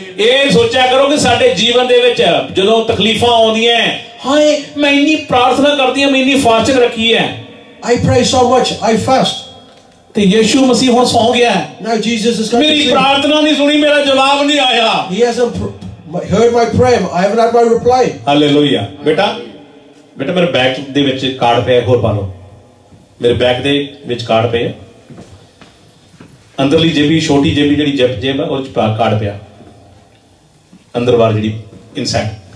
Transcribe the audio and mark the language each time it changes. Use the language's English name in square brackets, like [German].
[Punjabi] ਇਹ ਸੋਚਿਆ ਕਰੋ ਕਿ ਸਾਡੇ ਜੀਵਨ ਦੇ ਵਿੱਚ ਜਦੋਂ ਤਕਲੀਫਾਂ ਆਉਂਦੀਆਂ, ਹਾਏ ਮੈਂ ਇੰਨੀ ਪ੍ਰਾਰਥਨਾ ਕਰਦੀ ਹਾਂ, ਮੈਂ ਇੰਨੀ ਫਾਸਟਿੰਗ ਰੱਖੀ ਹੈ, [English] I pray so much, I fast. [Punjabi] ਤੇ ਯਿਸੂ ਮਸੀਹ ਹੁਣ ਸੌ ਗਿਆ ਹੈ. [English] Now Jesus is coming. [Punjabi] ਮੇਰੀ ਪ੍ਰਾਰਥਨਾ ਨਹੀਂ ਸੁਣੀ, ਮੇਰਾ ਜਵਾਬ ਨਹੀਂ ਆਇਆ. He hasn't heard my prayer, I have not my reply. Hallelujah. ਬੇਟਾ ਬੇਟਾ ਮੇਰੇ ਬੈਗ ਦੇ ਵਿੱਚ ਕਾਰਡ ਪਿਆ, ਹੋਰ ਪਾ ਲਓ. ਮੇਰੇ ਬੈਗ ਦੇ ਵਿੱਚ ਕਾਰਡ ਪਏ ਆ, ਅੰਦਰਲੀ ਜੇਬੀ ਛੋਟੀ ਜੇਬੀ ਜਿਹੜੀ ਜਿਪ ਜੇਬ ਆ ਉਹ ਚ ਕਾਰਡ ਪਿਆ, ਅੰਦਰ ਵਾਰ ਜਿਹੜੀ ਇਨਸਾਈਡ.